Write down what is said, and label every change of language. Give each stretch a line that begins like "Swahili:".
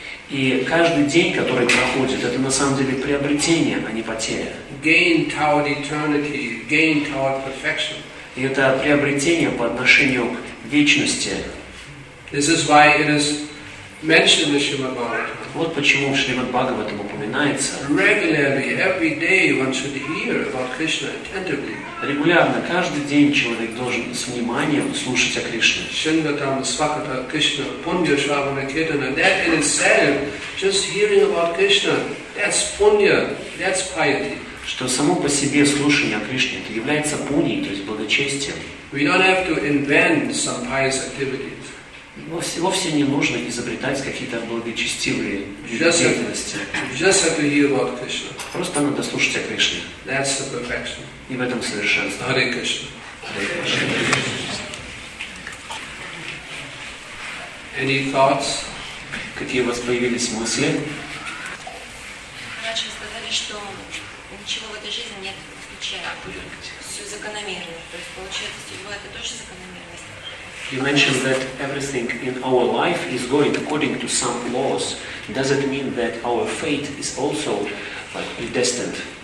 Russian: И каждый день, который проходит, это на самом деле приобретение, а не потеря.
English: Gain toward eternity, gain toward perfection.
Russian: И это приобретение по отношению к вечности.
English: This is why it is mentioned the Srimad Bhagavatam.
Russian: Вот почему в Шримад Бхагаватам упоминается.
English: Regularly, every day, one should hear about Krishna attentively.
Russian: Регулярно, каждый день человек должен с вниманием слушать о Кришне.
Sanskrit: Шингатам, Свахата, Кришна, Пундья, Шравана, Кетана.
English: That in itself, just hearing about Krishna, that's Пундья, that's piety.
Russian: Что само по себе слушание о Кришне, это является пуньей, то есть благочестием.
English: We don't have to invent some pious activities.
Russian: Вовсе не нужно изобретать какие-то благочестивые деятельности.
English: Just have to hear about Krishna.
Russian: Просто надо слушать о Кришне.
English: That's the perfection.
Russian: И в этом совершенство.
English: Hare Krishna. Any thoughts?
Russian: Какие у вас появились мысли? Раньше сказали, что ничего в этой жизни нет исключения. Все закономерно. То есть получается, судьба это тоже закономерность.
English: You mentioned that everything in our life is going according to some laws. Does it mean that our fate is also like predestined?